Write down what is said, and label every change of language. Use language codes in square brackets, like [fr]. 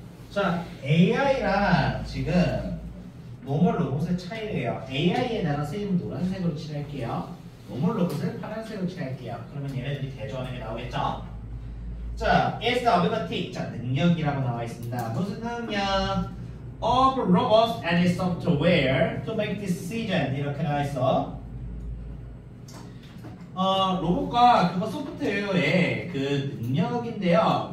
[ko] 자, AI랑 지금 노멀 로봇의 차이래요. AI에 나랑 쓰이는 노란색으로 칠할게요. 노멀 로봇을 파란색으로 칠할게요. 그러면 얘네들이 대조하는 게 나오겠죠? [en] 자, is the ability. [ko] 자, 능력이라고 나와 있습니다. 무슨 능력? [en] Of robots and its software to make decision. [ko] 이렇게 나와 있어. 로봇과 그거 소프트웨어의 그 능력인데요.